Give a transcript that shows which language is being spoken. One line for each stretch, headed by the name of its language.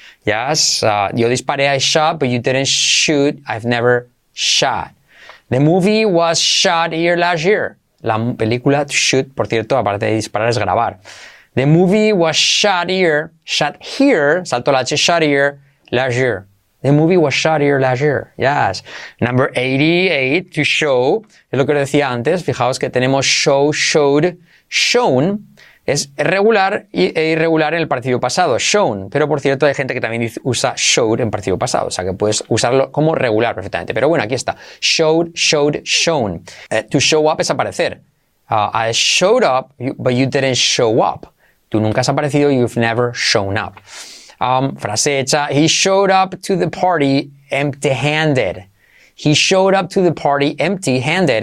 English: Yes,
Spanish: yo disparé,
English: I shot, but you didn't shoot, I've never shot. The movie was shot here last year.
Spanish: La película to shoot, por cierto, aparte de disparar, es grabar.
English: The movie was shot here,
Spanish: salto la H,
English: shot here, last year. The movie was shot here last year, yes. Number 88, to show,
Spanish: es lo que decía antes, fijaos que tenemos show, showed, shown. Es regular e irregular en el participio pasado, shown. Pero, por cierto, hay gente que también usa showed en participio pasado. O sea, que puedes usarlo como regular perfectamente. Pero bueno, aquí está. Showed, showed, shown. To show up es aparecer.
English: I showed up, but you didn't show up.
Spanish: Tú nunca has aparecido,
English: you've never shown up.
Spanish: Frase hecha.
English: He showed up to the party empty-handed. He showed up to the party empty-handed.